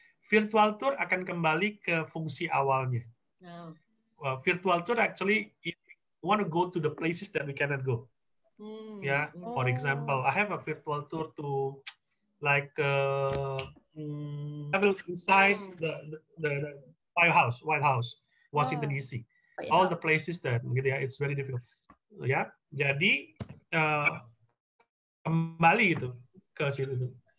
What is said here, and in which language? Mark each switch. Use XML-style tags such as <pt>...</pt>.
<id>Virtual tour akan kembali ke fungsi awalnya.</id> <en>Well, virtual tour actually want to go to the places that we cannot go. Yeah, for example, I have a virtual tour to like travel inside the White House, Washington DC. All the places that,</en> <id>gitu ya,</id> <en>it's very difficult.</en> <id>Yeah, jadi kembali itu ke situ.</id>